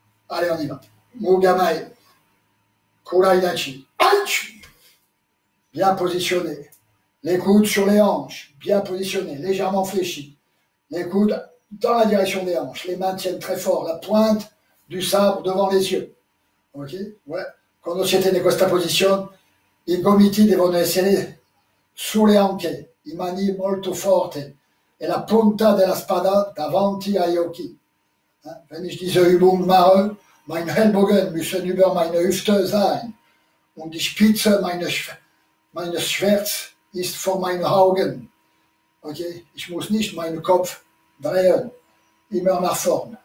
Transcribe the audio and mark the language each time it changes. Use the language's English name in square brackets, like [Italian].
[French] Allez, on y va. Mugamae. Kuraidachi. Aïch! Bien positionné. Les coudes sur les hanches. Bien positionné. Légèrement fléchi. Les coudes dans la direction des hanches. Les mains tiennent très fort. La pointe du sabre devant les yeux. Ok? Ouais. [Italian] quando siete in questa posizione, i gomiti devono essere sulle anche, in maniera molto forte, e la punta della spada davanti agli occhi. [German] Wenn ich diese Übung mache, mein Ellbogen müssen über meine Hüfte sein und die Spitze meines Schwerts ist vor meinen Augen. Okay? Ich muss nicht meinen Kopf drehen, immer nach vorne.